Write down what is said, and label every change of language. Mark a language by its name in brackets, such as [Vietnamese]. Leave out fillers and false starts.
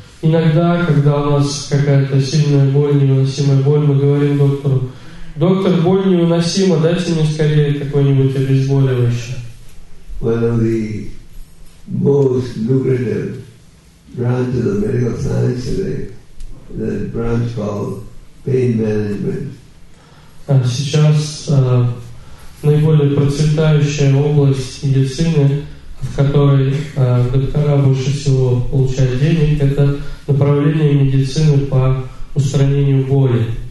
[Russian] Иногда, когда у нас какая-то сильная боль, невыносимая боль, мы говорим доктору, доктор, боль невыносима, дайте мне скорее какое-нибудь обезболивающее. [English] One of the most lucrative branches of medical science today, the branch called pain management. [Russian] Сейчас наиболее процветающая область медицины, в которой доктора больше всего получают денег, это направление медицины по устранению боли.